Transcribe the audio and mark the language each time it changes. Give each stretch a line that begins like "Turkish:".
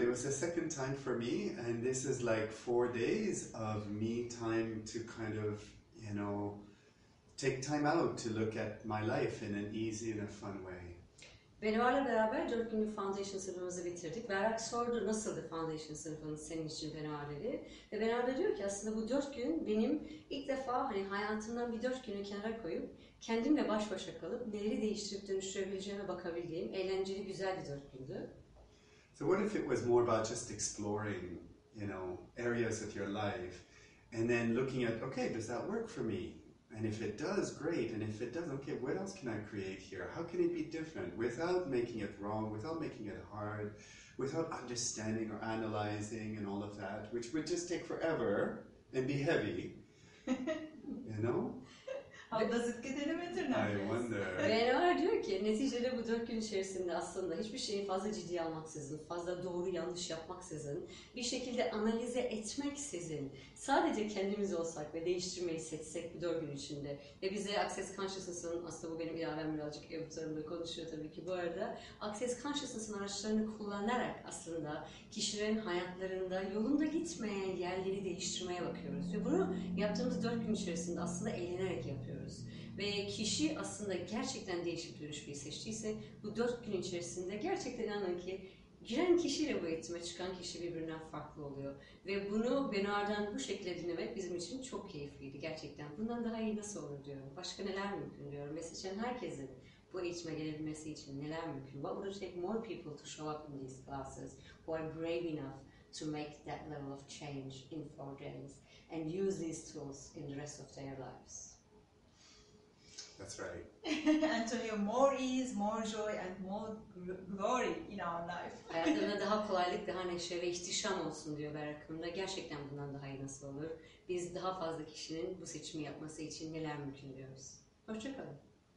English: It was the second time for me, and this is like 4 days of me time to kind of, you know, take time out to look at my life in an easy and a fun way.
Turkish: Benoit'la beraber 4 günlük foundation sınıfımızı bitirdik. Berk sordu, nasıldı foundation sınıfın senin için Benoit dedi. Ve Benoit da diyor ki aslında bu 4 gün benim ilk defa hani hayatımdan bir 4 günü kenara koyup kendimle baş başa kalıp neleri değiştirip dönüştürebileceğime bakabildiğim eğlenceli güzel bir 4 gündü.
English: So what if it was more about just exploring, you know, areas of your life and then looking at, okay, does that work for me? And if it does, great. And if it doesn't, okay, what else can I create here? How can it be different without making it wrong, without making it hard, without understanding or analyzing and all of that, which would just take forever and be heavy, you know?
Turkish: Benoit diyor ki neticede bu 4 gün içerisinde aslında hiçbir şeyi fazla ciddiye almaksızın, fazla doğru yanlış yapmaksızın, bir şekilde analize etmeksizin, sadece kendimiz olsak ve değiştirmeyi seçsek bu 4 gün içinde ve bize Access Consciousness'ın, aslında bu benim ilavem birazcık yapıtlarımda konuşuyor tabii ki bu arada, Access Consciousness'ın araçlarını kullanarak aslında kişilerin hayatlarında yolunda gitmeyen yerleri değiştirmeye bakıyoruz ve bunu yaptığımız 4 gün içerisinde aslında eğlenerek yapıyoruz. Ve kişi aslında gerçekten değişik dönüşmeyi seçtiyse bu 4 gün içerisinde gerçekten anlar ki giren kişiyle bu eğitime çıkan kişi birbirinden farklı oluyor. Ve bunu Benoit'dan bu şekilde dinlemek bizim için çok keyifliydi gerçekten. Bundan daha iyi nasıl olur diyorum. Başka neler mümkün diyorum. Ve seçen herkesin bu eğitime gelebilmesi için neler mümkün.
English: What would it take more people to show up in these classes who are brave enough to make that level of change in 4 days and use these tools in the rest of their lives? That's right. And to have more ease, more joy, and more glory in our life.
Turkish: Hayatında daha kolaylık, daha neşe ve ihtişam olsun diyor Berk'ım da. Gerçekten bundan daha iyi nasıl olur? Biz daha fazla kişinin bu seçimi yapması için neler mümkün diyoruz? Hoşçakalın.